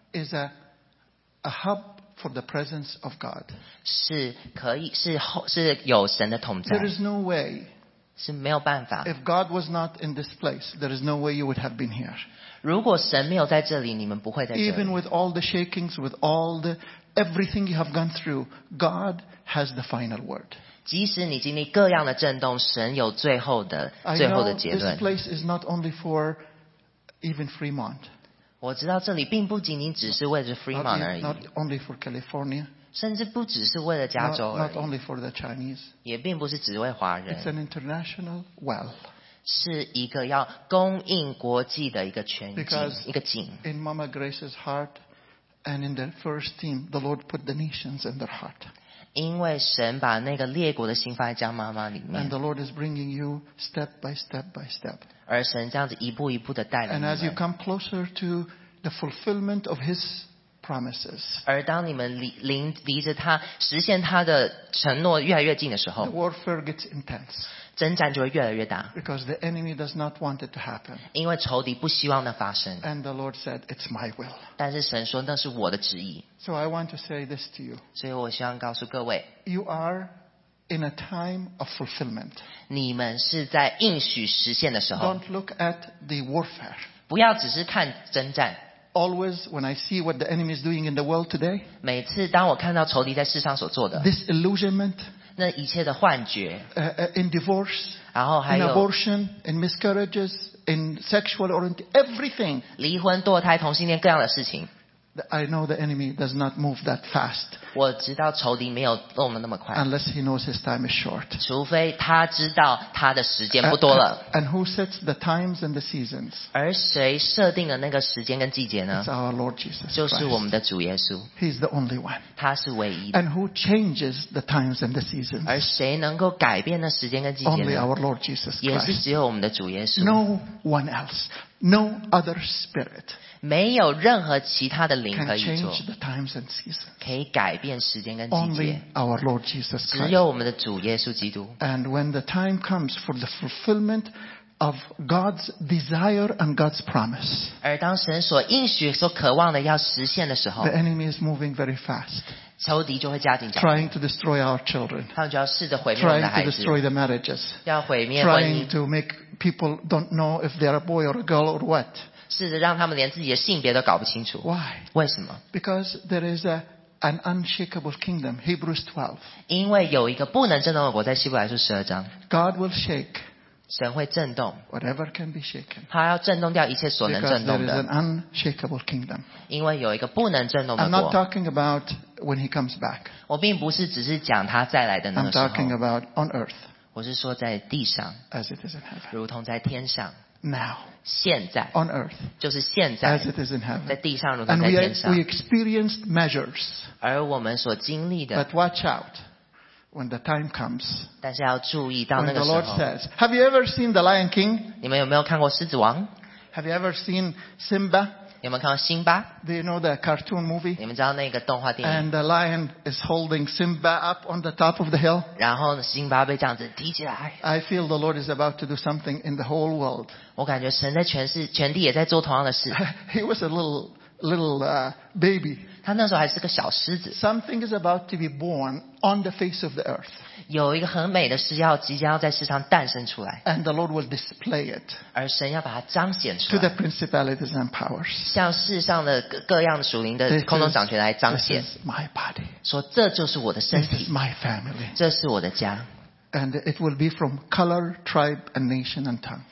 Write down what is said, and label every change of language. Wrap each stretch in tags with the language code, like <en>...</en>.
<en>Is a hub for the presence of God.</en> <zh>是可以是有神的同在。</zh> <en>There is no way.</en> <zh>是没有办法。</zh> <en>If God was not in this place, there is no way you would have been here.</en> <zh>如果神没有在这里，你们不会在这里。</zh> <en>Even with all the shakings, with all the everything you have gone through, God has the final word.</en> <zh>即使你经历各样的震动，神有最后的结论。</zh> <en>I know this place is not only for even Fremont.</en> <zh>我知道这里并不仅仅只是为了 Fremont 而已。</zh> <en>Not only for California.</en> <zh>甚至不只是为了加州而已。</zh> <en>Not only for the Chinese.</en> <zh>也并不是只为华人。</zh> <en>It's an international well.</en> <zh>是一个要供应国际的一个泉井，</zh> <en>Because、</en> <zh>一个井。</zh> <en>In Mama Grace's heart, and in the first team, the Lord put the nations in their heart.</en> <zh>因为神把那个列国的心放在江妈妈里面。</zh> <en>And the Lord is bringing you step by step by step.</en> <zh>而神这样子一步一步的带领你们。</zh> <en>And as you come closer to the fulfillment of His promises,</en> <zh>而当你们离着他实现他的承诺越来越近的时候</zh> <en>，the warfare gets intense.</en> <zh>征战就会越来越大。</zh> <en>Because the enemy does not want it to happen.</en> <zh>因为仇敌不希望那发生。</zh> <en>And the Lord said, "It's my will."</en> <zh>但是神说那是我的旨意。</zh> <en>So I want to say this to you.</en> <zh>所以我希望告诉各位。</zh> <en>You are in a time of fulfillment.</en> <zh>你们是在应许实现的时候。</zh> <en>Don't look at the warfare.</en> <zh>不要只是看征战。</zh> <en>Always when I see what the enemy is doing in the world today.</en> <zh>每次当我看到仇敌在世上所做的。</zh> <en>Disillusionment.</en> <zh>那一切的幻觉。</zh> <en>In divorce.</en> <zh>然后还有。</zh> <en>In abortion. In miscarriages. In sexual orientation. Everything.</en> <zh>离婚、堕胎、同性恋各样的事情。</zh> <en>I know the enemy does not move that fast.</en> <zh>我知道仇敌没有动得那么快。</zh> <en>Unless he knows his time is short.</en> <zh>除非他知道他的时间不多了。</zh> <en>And who sets the times and the seasons?</en> <zh>而谁设定了那个时间跟季节呢？</zh> <en>It's our Lord Jesus Christ.</en> <zh>就是我们的主耶稣。</zh> <en>He's the only one.</en> <zh>他是唯一的。</zh> <en>And who changes the times and the seasons?</en> <zh>而谁能够改变那时间跟季节呢？</zh> <en>Only our Lord Jesus Christ.</en> <zh>也是只有我们的主耶稣。</zh> <en>No one else. No other spirit.</en> <zh>没有任何其他的灵可以做</zh> <en>can change the times and seasons.</en> <zh>可以改变时间跟季节</zh> <en>Only our Lord Jesus Christ.</en> <zh>只有我们的主耶稣基督</zh> <en>And when the time comes for the fulfillment of God's desire and God's promise,</en> <zh>而当神所应许所渴望的要实现的时候</zh> <en>the enemy is moving very fast.</en> <zh>仇敌就会加紧脚步</zh> <en>trying to destroy our children,</en> <zh>他们就要试着毁灭我们的孩子</zh> <en>trying to destroy the marriages,</en> <zh>要毁灭婚姻</zh> <en>trying to make people don't know if they're a boy or a girl or what,</en> <zh>试着让他们连自己的性别都搞不清楚</zh> <en>why?</en> <zh>为什么</zh> <en>because there is an unshakable kingdom, Hebrews 12,</en> <zh>因为有一个不能震动的国在希伯来书12章</zh> <en>God will shake,</en> <zh>神会震动</zh> <en>whatever can be shaken,</en> <zh>他要震动掉一切所能震动的</zh> <en>because there is an unshakable kingdom,</en> <zh>因为有一个不能震动的国</zh> <en>I'm not talking aboutWhen he comes back,</en> <zh>我并不是只是讲他再来的那个时候。</zh> <en>I'm talking about on earth.</en> <zh>我是说在地上。</zh> <en>As it is in heaven.</en> <zh>如同在天上。</zh> <en>Now.</en> <zh>现在。</zh> <en>On earth.</en> <zh>就是现在。</zh> <en>As it is in heaven.</en> <zh>在地上如同在天上。</zh> <en>And we experienced measures.</en> <zh>而我们所经历的。</zh> <en>But watch out when the time comes.</en> <zh>但是要注意到那个时候。</zh> <en>When the Lord says, "Have you ever seen the Lion King?"</en> <zh>你们有没有看过狮子王</zh> <en>？Have you ever seen Simba?</en> <zh>有没有看过辛巴</zh> <en>Do you know the cartoon movie?</en> <zh>你们知道那个动画电影</zh> <en>And the lion is holding Simba up on the top of the hill.</en> <zh>然后辛巴被这样子提起来</zh> <en>I feel the Lord is about to do something in the whole world.</en> <zh>我感觉神在全地也在做同样的事</zh> <en>He was a little baby.</en> <zh>他那时候还是个小狮子</zh> <en>Something is about to be born on the face of the earth.</en> <zh>有一个很美的事要即将要在世上诞生出来</zh> <en>And the Lord will display it.</en> <zh>而神要把它彰显出来</zh> <en>To the principalities and powers.</en> <zh>向世上的各样属灵的空中掌权来彰显</zh> <en>This is my body.</en> <zh>说这就是我的身体</zh> <en>This is my family.</en> <zh>这是我的家</zh> <en>And it will be from color, tribe, and nation and tongue.</en>